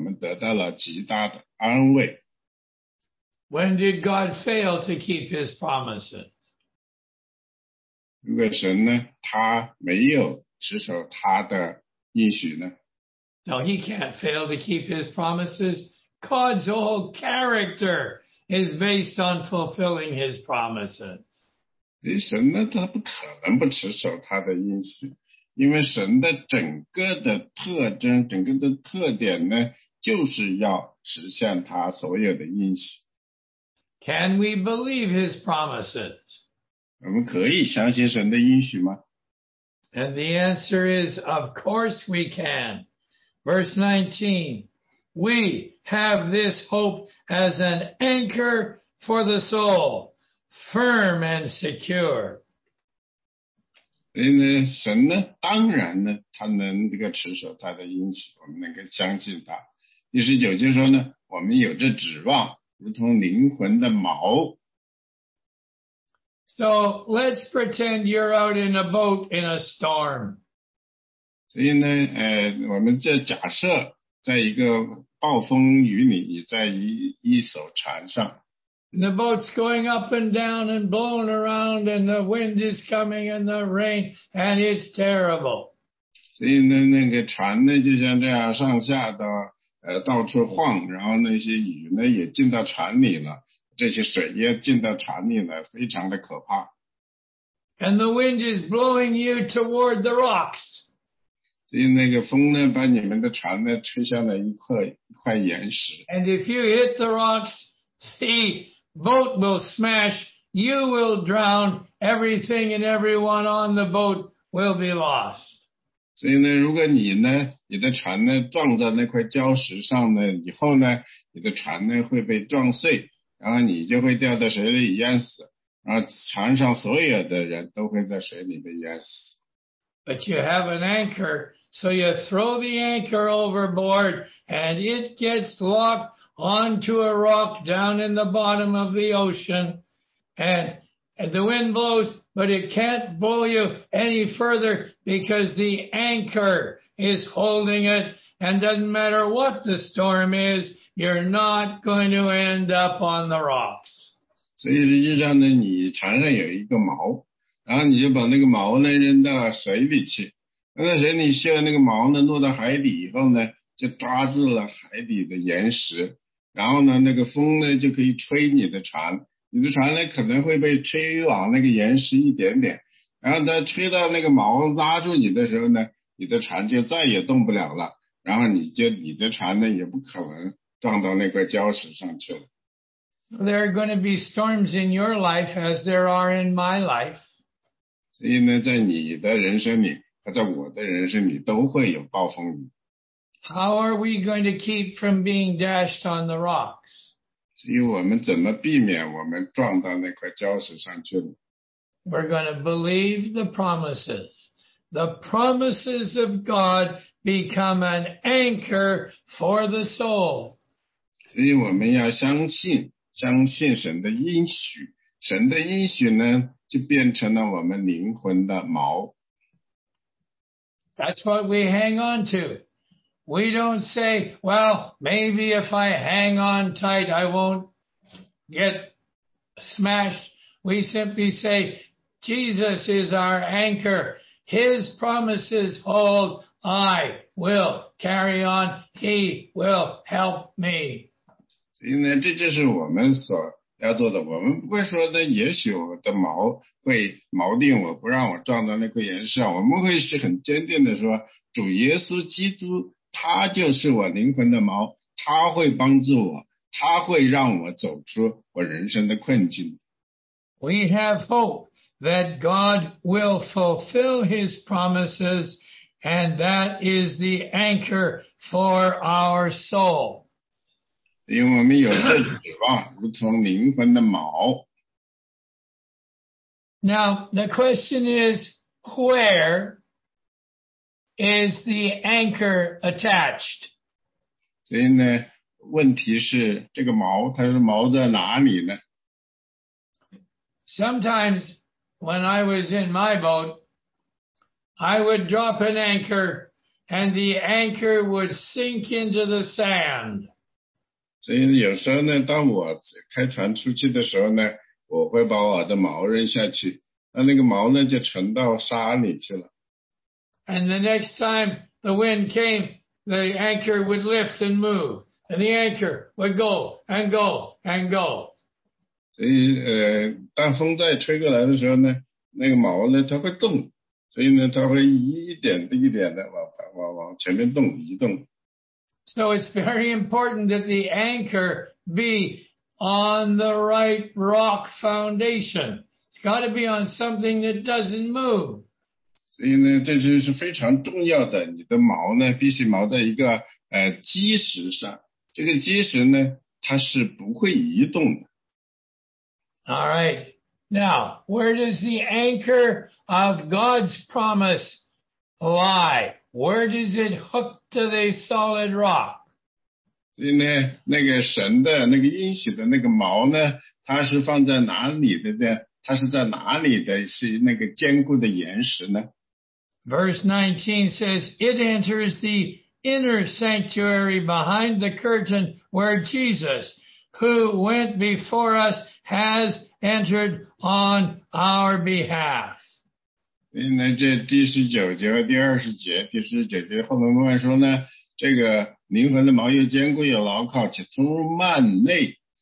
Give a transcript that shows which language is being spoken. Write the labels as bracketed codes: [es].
[zh] 因为神呢会持守他的应许，这样呢我们就有了盼望，所以我们得到了极大的安慰。 [en] When did God fail to keep his promises? [zh] 如果神呢他没有持守他的应许呢？ [en] No, he can't fail to keep his promises. God's whole character is based on fulfilling his promises. Can we believe his promises? And the answer is, of course we can. Verse 19. We have this hope as an anchor for the soul, firm and secure. [zh] 所以呢，神呢，当然呢，他能这个持守他的应许，我们能够相信他。第十九节说呢，我们有着指望，如同灵魂的锚。 [en] So let's pretend you're out in a boat in a storm. [zh] 所以呢，我们就假设在一个暴风雨里，你在一艘船上。 [en] The boat's going up and down and blowing around and the wind is coming and the rain and it's terrible. [zh] 所以呢那个船呢就像这样上下的到处晃然后那些雨呢也进到船里了这些水也进到船里了非常的可怕。 [en] And the wind is blowing you toward the rocks. [zh] 所以那个风呢把你们的船呢吹向了一块岩石。 [en] And if you hit the rocks,The boat will smash, you will drown, everything and everyone on the boat will be lost. [zh] 所以呢如果你呢你的船呢撞在那块礁石上呢以后呢你的船呢会被撞碎然后你就会掉到水里淹死然后船上所有的人都会在水里被淹死。 [en] But you have an anchor, so you throw the anchor overboard and it gets locked. Onto a rock down in the bottom of the ocean, and the wind blows, but it can't blow you any further because the anchor is holding it, and doesn't matter what the storm is, you're not going to end up on the rocks. [zh] 所以实际上呢，你船上有一个锚，然后你就把那个锚呢扔到水里去，那个水里需要那个锚呢落到海底以后呢，就抓住了海底的岩石。然后呢那个风呢就可以吹你的船你的船呢可能会被吹往那个岩石一点点然后它吹到那个锚拉住你的时候呢你的船就再也动不了了然后你的船呢也不可能撞到那块礁石上去了。 [en] There are going to be storms in your life as there are in my life. [zh] 所以呢在你的人生里和在我的人生里都会有暴风雨。 [en] How are we going to keep from being dashed on the rocks? [zh] 所以我们怎么避免我们撞到那块礁石上去了? [en] We're going to believe the promises. The promises of God become an anchor for the soul. [zh] 所以我们要相信神的应许。神的应许呢，就变成了我们灵魂的锚。 [en] That's what we hang on to. We don't say, well, maybe if I hang on tight, I won't get smashed. We simply say, Jesus is our anchor. His promises hold. I will carry on. He will help me. [zh] 所以呢，这就是我们所要做的。我们不会说呢，也许我的锚会锚定我，不让我撞到那块岩石上。我们会是很坚定的说，主耶稣基督。他就是我灵魂的锚，他会帮助我，他会让我走出我人生的困境。 [en] We have hope that God will fulfill His promises, and that is the anchor for our soul. [zh] 因为我们有这指望，如同灵魂的锚。 [en] Now the question is where? Is the anchor attached? [zh] 所以呢，问题是这个锚，它是锚在哪里呢？ [en] Sometimes when I was in my boat, I would drop an anchor and the anchor would sink into the sand. [zh] 所以有时候呢，当我开船出去的时候呢，我会把我的锚扔下去，那个锚呢就沉到沙里去了。 [en] And the next time the wind came, the anchor would lift and move, and the anchor would go and go and go. [zh] 所以当风再吹过来的时候呢，那个锚呢它会动，所以呢它会一点一点的往前面动移动。 [en] So it's very important that the anchor be on the right rock foundation. It's got to be on something that doesn't move. [zh] 所以呢，这就是非常重要的。你的锚呢，必须锚在一个基石上。这个基石呢，它是不会移动的。 [en] All right, Now, where does the anchor of God's promise lie? Where does it hook to the solid rock? [zh] 那个神的那个应许的那个锚呢？它是放在哪里的呢？它是在哪里的？是那个坚固的岩石呢？ [en] Verse 19 says, it enters the inner sanctuary behind the curtain where Jesus, who went before us, has entered on our behalf. [zh] 那这第十九节和第二十节，第十九节后面说呢，这个灵魂的锚又坚固又牢靠，且从入幔内。